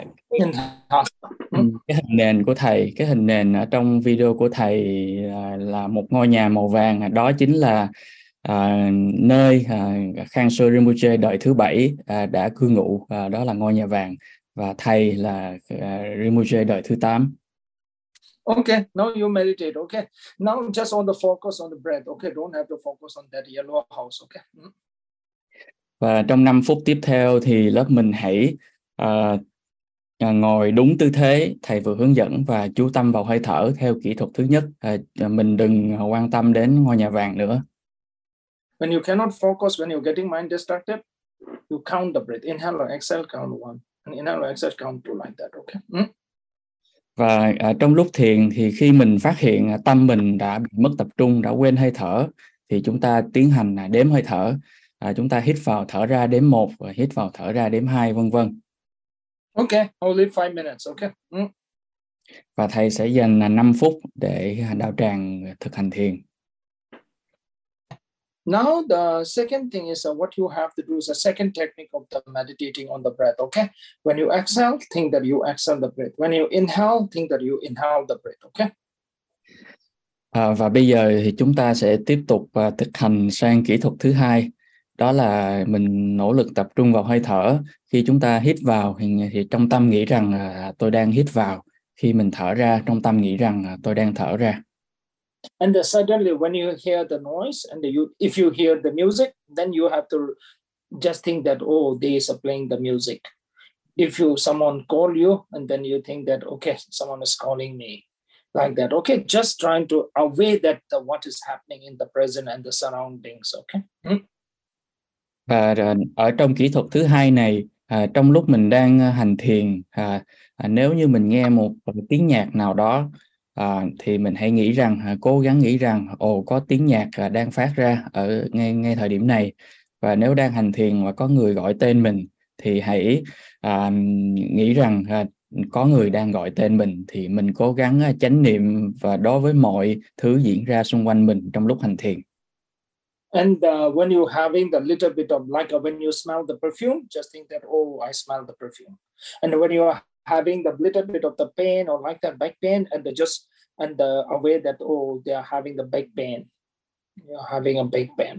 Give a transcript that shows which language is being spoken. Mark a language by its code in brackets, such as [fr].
[vi] Cái hình nền của thầy, cái hình nền ở trong video của thầy là một ngôi nhà màu vàng. Đó chính là nơi Khangso Rinpoche đời thứ bảy đã cư ngụ. Đó là ngôi nhà vàng. Và thầy là Rinpoche đời thứ tám. [en] Okay, now you meditate. Okay, now just on the focus on the breath. Okay, don't have to focus on that yellow house. Okay. [vi] Và trong 5 phút tiếp theo thì lớp mình hãy ngồi đúng tư thế thầy vừa hướng dẫn và chú tâm vào hơi thở theo kỹ thuật thứ nhất. Mình đừng quan tâm đến ngôi nhà vàng nữa. [en] When you cannot focus, when you're getting mind distracted, you count the breath. Inhale or exhale, count one. And inhale or exhale, count two like that. Okay. [vi] Và trong lúc thiền thì khi mình phát hiện tâm mình đã bị mất tập trung, đã quên hơi thở, thì chúng ta tiến hành đếm hơi thở. Chúng ta hít vào thở ra đếm 1 và hít vào thở ra đếm 2 vân vân. [en] Okay, only 5 minutes, okay. [vi] Và thầy sẽ dành 5 phút để đạo tràng thực hành thiền. [en] Now the second thing is what you have to do is a second technique of the meditating on the breath, okay? When you exhale, think that you exhale the breath. When you inhale, think that you inhale the breath, okay? [vi] Và bây giờ thì chúng ta sẽ tiếp tục thực hành sang kỹ thuật thứ hai. Đó là mình nỗ lực tập trung vào hơi thở. Khi chúng ta hít vào thì trong tâm nghĩ rằng tôi đang hít vào. Khi mình thở ra, trong tâm nghĩ rằng tôi đang thở ra. [en] And suddenly when you hear the noise and you if you hear the music, then you have to just think that oh, they are playing the music. If you someone call you and then you think that okay, someone is calling me like that. Okay, just trying to away that the, what is happening in the present and the surroundings, okay? [vi] Và ở trong kỹ thuật thứ hai này, trong lúc mình đang hành thiền, nếu như mình nghe một tiếng nhạc nào đó, thì mình hãy nghĩ rằng, cố gắng nghĩ rằng, ồ, có tiếng nhạc đang phát ra ở ngay thời điểm này. Và nếu đang hành thiền và có người gọi tên mình, thì hãy nghĩ rằng có người đang gọi tên mình. Thì mình cố gắng chánh niệm và đối với mọi thứ diễn ra xung quanh mình trong lúc hành thiền. [en] And when you having the little bit of like when you smell the perfume, just think that oh, I smell the perfume. And when you are having the little bit of the pain or like that back pain, and just and the aware that oh, they are having the back pain. You're having a back pain.